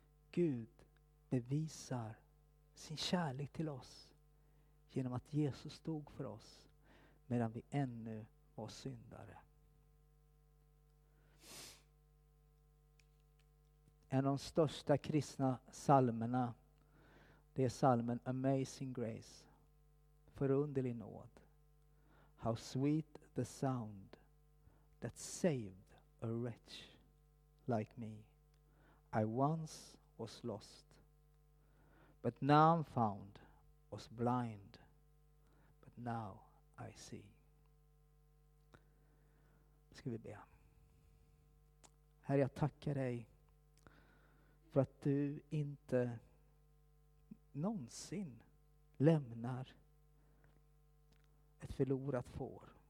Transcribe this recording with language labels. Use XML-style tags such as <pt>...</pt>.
<sv>Gud bevisar sin kärlek till oss genom att Jesus dog för oss medan vi ännu var syndare. En av de största kristna psalmerna Det är psalmen Amazing Grace. Förunderlig nåd.</sv> <en>How sweet the sound that saved a wretch like me. I once was lost, but now I'm found, was blind, but now I see.</en> <sv>Ska vi be. Herre, jag tackar dig för att du inte någonsin lämnar ett förlorat får.</sv>